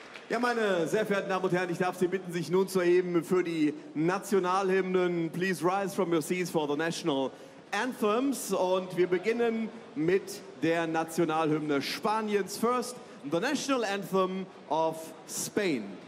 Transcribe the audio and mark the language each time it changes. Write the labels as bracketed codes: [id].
[de] Ja, meine sehr verehrten Damen und Herren, ich darf Sie bitten, sich nun zu erheben für die Nationalhymnen. [en] Please rise from your seats for the national anthems. [de] Und wir beginnen mit der Nationalhymne Spaniens. [en] First, the national anthem of Spain.